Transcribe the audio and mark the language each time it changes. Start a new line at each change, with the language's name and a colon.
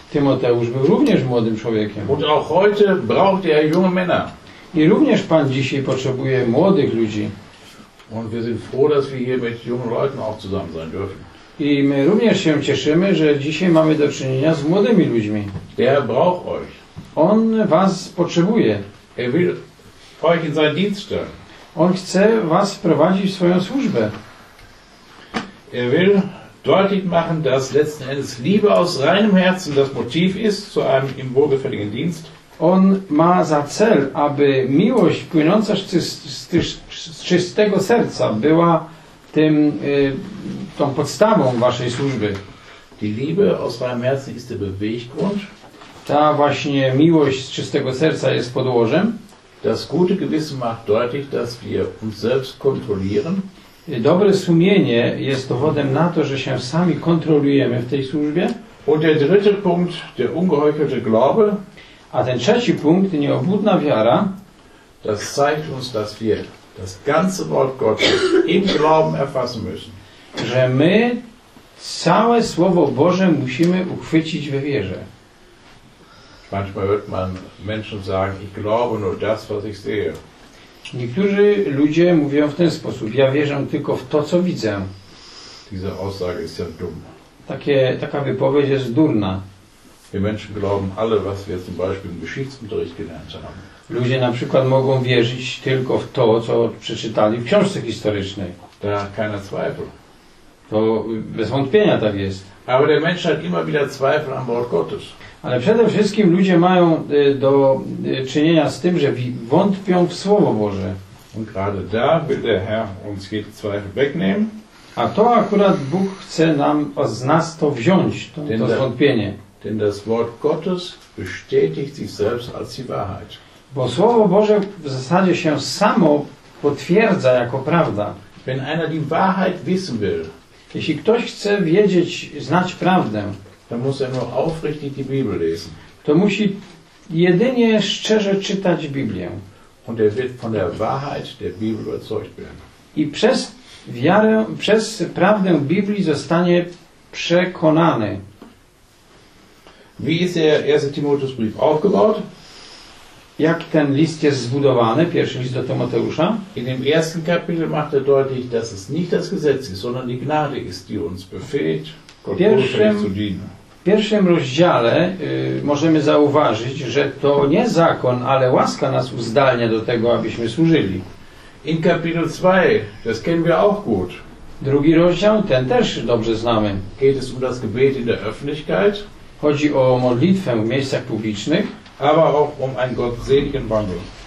Polish: Tymoteusz był również młodym człowiekiem.
German: Und auch heute braucht er junge Männer.
Polish: I również Pan dzisiaj potrzebuje młodych ludzi.
German: Und wir sind froh, dass wir hier mit jungen Leuten auch zusammen sein dürfen.
Polish: I my również się cieszymy, że dzisiaj mamy do czynienia z młodymi ludźmi.
German: Der braucht euch.
Polish: On was potrzebuje.
German: Er will euch in seinen Dienst stellen.
Polish: On chce was wprowadzić w swoją służbę.
German: Er will deutlich machen, dass letzten Endes Liebe aus reinem Herzen das Motiv ist zu einem ihm wohlgefälligen Dienst.
Polish: On ma za cel, aby miłość płynąca z czystego serca była tym, tą podstawą waszej służby.
German: Die Liebe aus reinem Herzen ist der Beweggrund.
Polish: Ta właśnie miłość z czystego serca jest podłożem.
German: Das gute Gewissen macht deutlich, dass wir uns selbst kontrollieren.
Polish: Dobre sumienie jest dowodem na to, że się sami kontrolujemy w tej służbie.
German: Und der dritte Punkt, der ungeheuchelte Glaube.
Polish: A ten trzeci punkt, nieobłudna wiara.
German: Das zeigt uns, dass wir das ganze Wort Gottes im Glauben erfassen müssen.
Polish: Że my całe Słowo Boże musimy uchwycić we wierze.
German: Manchmal hört man Menschen sagen, ich glaube nur das, was ich sehe.
Polish: Niektórzy ludzie mówią w ten sposób, ja wierzę tylko w to, co widzę.
German: Diese Aussage ist ja dumm.
Polish: Taka wypowiedź jest durna.
German: Wir Menschen glauben alle, was wir zum Beispiel im Geschichtsunterricht gelernt haben.
Polish: Ludzie na przykład mogą wierzyć tylko w to, co przeczytali w książce historycznej.
German: Da keine Zweifel.
Polish: To bez wątpienia tak jest.
German: Aber der Mensch hat immer wieder Zweifel am Wort Gottes.
Polish: Ale przede wszystkim ludzie mają do czynienia z tym, że wątpią w Słowo Boże.
German: Und gerade da will der Herr uns jeden Zweifel wegnehmen.
Polish: A to akurat Bóg chce nam z nas to wziąć, to,
German: denn das,
Polish: to wątpienie.
German: Denn das Wort Gottes bestätigt sich selbst als die Wahrheit.
Polish: Bo Słowo Boże w zasadzie się samo potwierdza jako prawda.
German: Wenn einer die Wahrheit wissen will,
Polish: jeśli ktoś chce wiedzieć, znać prawdę,
German: dann muss er nur aufrichtig die Bibel lesen.
Polish: To musi jedynie szczerze czytać Biblię.
German: Und er wird von der Wahrheit der Bibel überzeugt werden.
Polish: I przez wiarę, przez prawdę Biblii zostanie przekonany.
German: Wie ist der erste Timotheusbrief aufgebaut?
Polish: Jak ten list jest zbudowany, pierwszy list do Tymoteusza?
German: In dem ersten Kapitel macht er deutlich, dass es nicht das Gesetz ist, sondern die Gnade ist, die uns befähigt, Gott zu dienen.
Polish: W pierwszym rozdziale możemy zauważyć, że to nie zakon, ale łaska nas uzdalnia do tego, abyśmy służyli.
German: In Kapitel 2, das kennen wir auch gut.
Polish: Drugi rozdział, ten też dobrze znamy.
German: Geht es um das Gebet in der Öffentlichkeit?
Polish: Chodzi o modlitwę w miejscach publicznych.
German: Aber auch um einen gottseligen Wandel.